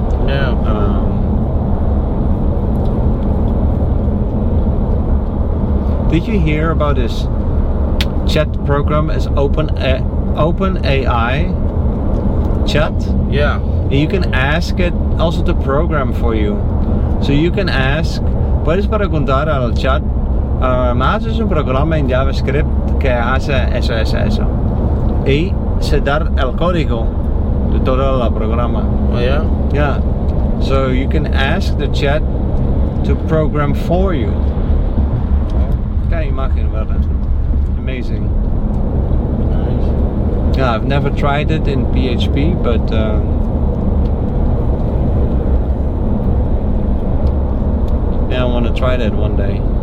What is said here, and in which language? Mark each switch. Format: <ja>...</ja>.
<en>Yeah. Did you hear about this chat program? It's Open AI chat. Yeah, you can ask it also to program for you. So you can ask.</en> <es>Puedes preguntar al chat. Haces un programa en JavaScript que hace eso, eso, eso. Y se da el código de todo el programa.</es> <en>Oh, yeah. Yeah. So you can ask the chat to program for you.</en> <es>Qué imagen, verdad?</es> <en>Amazing. Yeah, I've never tried it in PHP, but yeah, I want to try that one day.</en>